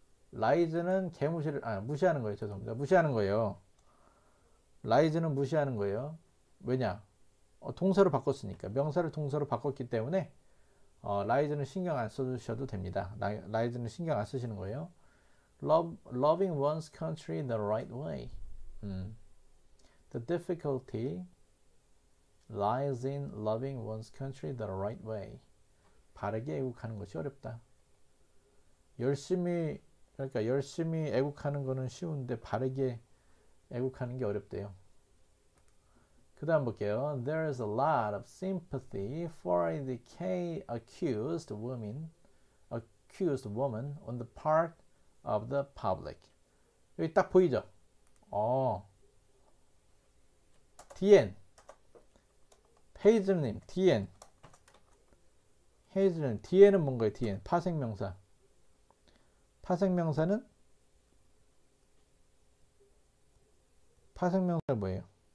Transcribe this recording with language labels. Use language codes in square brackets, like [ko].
[ko] 라이즈는 개무시를 무시하는 거예요. 죄송합니다. 무시하는 거예요. 라이즈는 무시하는 거예요. 왜냐? 동사로 바꿨으니까. 명사를 동사로 바꿨기 때문에 라이즈는 신경 안 써주셔도 됩니다. 라이즈는 신경 안 쓰시는 거예요. [en] Loving one's country the right way. The difficulty lies in loving one's country the right way. [ko] 바르게 애국하는 것이 어렵다. 열심히, 그러니까 열심히 애국하는 것은 쉬운데 바르게 애국하는 게 어렵대요. 그 다음 볼게요. [en] There is a lot of sympathy for the K-accused woman on the part of the public. [ko] 여기 딱 보이죠? 디엔 헤이즈님 디엔 헤이즈님 디엔은 뭔가요? 디엔 파생명사 파생명사는 뭐예요?